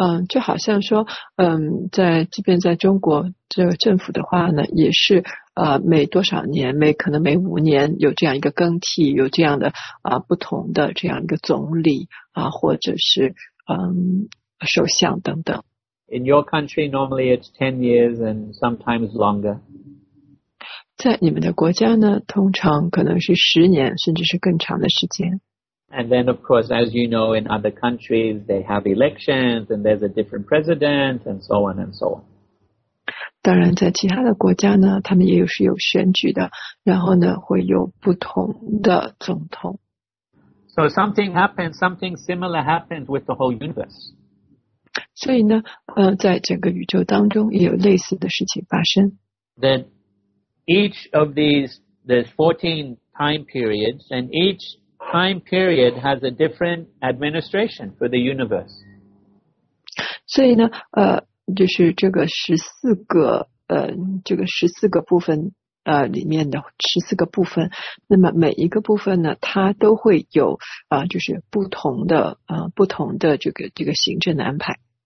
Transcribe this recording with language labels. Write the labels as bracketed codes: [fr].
[zh] 就好像说，在即便在中国，这个政府的话呢，也是每多少年，每可能每5年有这样一个更替，有这样的不同的这样一个总理或者是首相等等。 [en] In your country, normally it's 10 years and sometimes longer. [zh] 在你们的国家呢，通常可能是10年，甚至是更长的时间。 [en] And then, of course, as you know, in other countries, they have elections, and there's a different president, and so on and so on. [zh] 当然，在其他的国家呢，他们也是有选举的，然后呢，会有不同的总统。 [en] So something happens, something similar happens with the whole universe. [zh] 所以呢，在整个宇宙当中也有类似的事情发生。 [en] That each of there's 14 time periods, and each... Time period has a different administration for the universe. [zh] 所以呢，就是这个十四个部分，里面的14个部分，那么每一个部分呢，它都会有就是不同的这个行政的安排。